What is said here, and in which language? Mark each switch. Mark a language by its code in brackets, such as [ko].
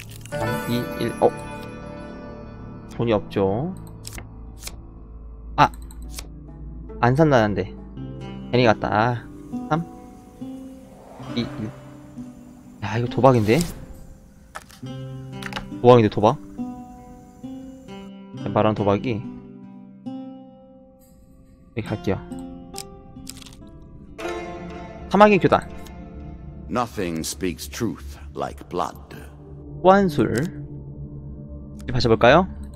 [ko] 3, 2, 1. 어. 돈이 없죠. 아. 안 산다는데. 괜히 갔다. 아. 3. 2, 1. 야, 이거 도박인데? 도박인데 도박? 말한 도박이 여기 갈게요. 사막의 교단. [en] Nothing speaks truth like blood. [ko] 호환술 이제 받쳐볼까요?